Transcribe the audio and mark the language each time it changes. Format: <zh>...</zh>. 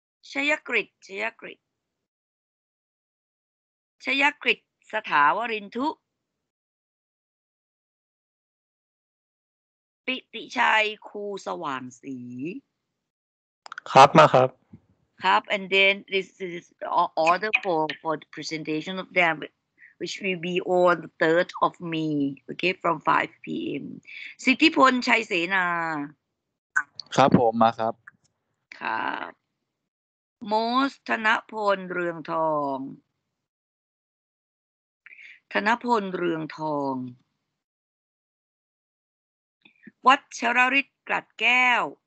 <th>ชยกฤตชยกฤตชยกฤตสถาวรินทุปิติชัยคูสว่างศรี ครับมาครับ</th> <en>ครับ and then this is order for the presentation of them which will be on the 3rd of May okay from 5 p.m.</en> <th>สิทธิพลชัยเสนา ครับผมมาครับ ครับโมสธนพลเรืองทองธนพลเรืองทองวัชรฤทธิ์กลัดแก้ว</th>